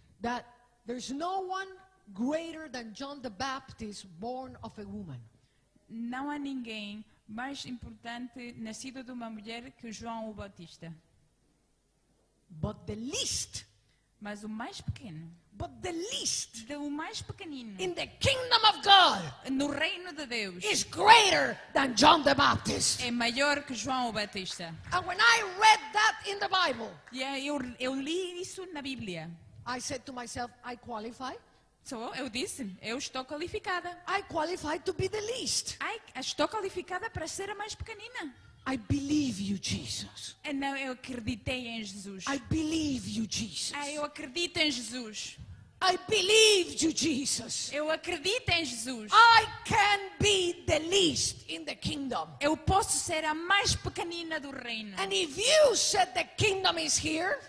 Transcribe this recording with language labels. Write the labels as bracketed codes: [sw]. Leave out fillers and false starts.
[en] That there's no one greater than John the Baptist, born of a woman. [pt] Não há ninguém mais importante nascido de uma mulher que João o Batista. [en] But the least. [pt] Mas o mais pequeno. [en] But the least. [pt] O mais pequenino. [en] In the kingdom of God. [pt] No reino de Deus. [en] Is greater than John the Baptist. [pt] É maior que João o Batista. [en] And when I read that in the Bible. [pt] Yeah, eu li isso na Bíblia. [en] I said to myself, I qualify. [pt] So, eu disse, eu estou qualificada. [en] I qualify to be the least. [pt] Estou qualificada para ser a mais pequenina. [en] I believe you, Jesus. And now [pt] eu acreditei em Jesus. [en] I believe you, Jesus. [pt] Eu acredito em Jesus. [en] I believe you, Jesus. [pt] Eu acredito em Jesus. [en] I can be the least in the kingdom. [pt] Eu posso ser a mais pequenina do reino. [en] And if you said the kingdom is here,